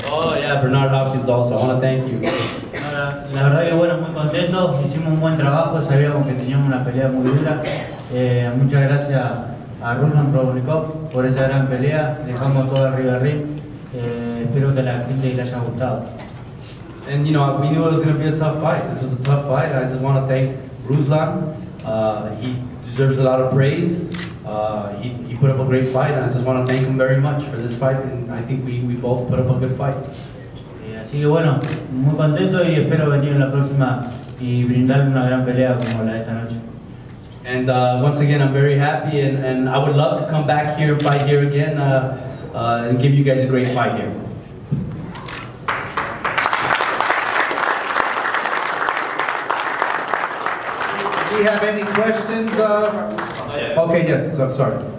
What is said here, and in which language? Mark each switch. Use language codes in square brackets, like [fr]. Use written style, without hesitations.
[en] Oh yeah, Bernard Hopkins also. I want to thank you. [es] La verdad que bueno, muy contento. Hicimos un buen trabajo, sabíamos que teníamos una pelea muy dura. Muchas gracias a Ruslan Provodnikov por esa gran pelea. Dejamos todo arriba del ring. Espero que la gente le haya gustado. [en] And you know, we knew it was going to be a tough fight. This was a tough fight. I just want to thank Ruslan. He deserves a lot of praise. He put up a great fight, and I just want to thank him very much for this fight. And I think we both put up a good fight. [es] Así que bueno, muy contento y espero venir en la próxima y brindarle una gran pelea como la de esta noche. [en] And once again, I'm very happy and I would love to come back here, fight here again, and give you guys a great fight here. Thank we have any questions? Okay, yes, I'm sorry.